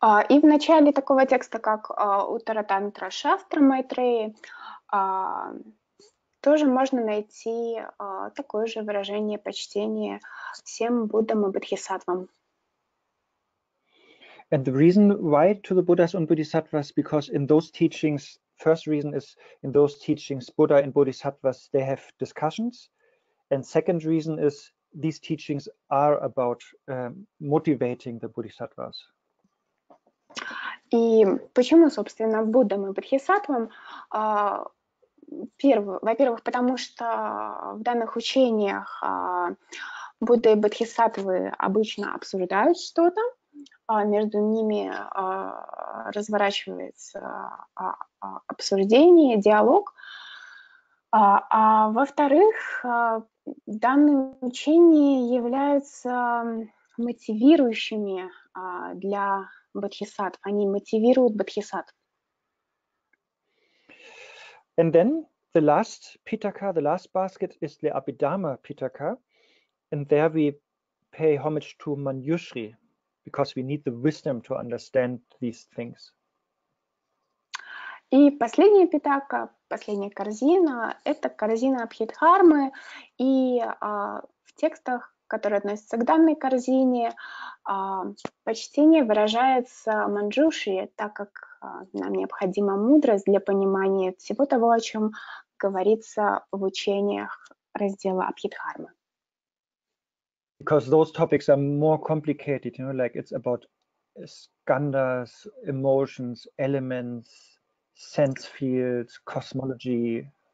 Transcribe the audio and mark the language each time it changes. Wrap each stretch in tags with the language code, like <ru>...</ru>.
<ru>И в начале такого текста, как Uttara Tantra Shastra Maitreya, тоже можно найти такое же выражение почтения всем Буддам и Бодхисаттвам.</ru> <en>And the reason why to the Buddhas and Bodhisattvas, because in those teachings, first reason is in those teachings, Buddha and Bodhisattvas, they have discussions. And second reason is these teachings are about motivating the Bodhisattvas.</en> <ru>И почему, собственно, Буддам и Бодхисаттвам? Во-первых, потому что в данных учениях Будда и Бодхисаттвы обычно обсуждают что-то, между ними разворачивается обсуждение, диалог. А во-вторых, данные учения являются мотивирующими для Бодхисаттв, они мотивируют Бодхисаттв.</ru> <en>And then the last Pitaka, the last basket is the Abhidhamma Pitaka, and there we pay homage to Manjushri, because we need the wisdom to understand these things.</en> <ru>И последняя Питака, последняя корзина, это корзина Абхидхармы, и в текстах который относится к данной корзине. Почтение выражается манджуши, так как нам необходима мудрость для понимания всего того, о чем говорится в учениях раздела Абхидхармы.</ru> <en>Because those topics are more complicated, you know, like it's about skandhas, emotions, elements, sense fields, cosmology.</en>